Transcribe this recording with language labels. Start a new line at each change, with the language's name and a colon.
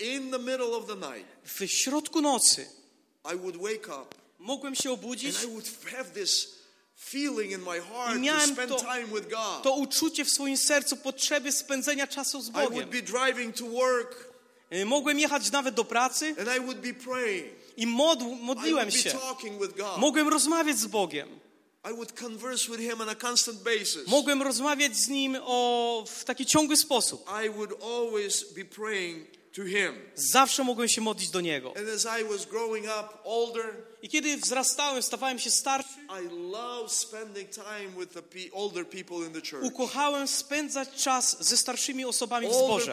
English: In the middle of the night,
Polish: w środku nocy.
English: I would wake up,
Polish: mogłem się obudzić.
English: And I would have this feeling in my heart to spend time with God.
Polish: To uczucie w swoim sercu potrzeby spędzenia czasu z Bogiem.
English: I would be driving to work,
Polish: mogłem jechać nawet do pracy.
English: And I would be praying.
Polish: I modliłem się.
English: I would be talking with God.
Polish: Mogłem rozmawiać z Bogiem.
English: I would converse with him on a constant basis.
Polish: Mogłem rozmawiać z nim w taki ciągły sposób.
English: I would always be praying to him.
Polish: Zawsze mogłem się modlić do niego.
English: And as I was growing up older,
Polish: i kiedy wzrastałem, stawałem się starszy,
English: I loved spending time with the older people in the church.
Polish: Ukochałem spędzać czas ze starszymi osobami w zborze.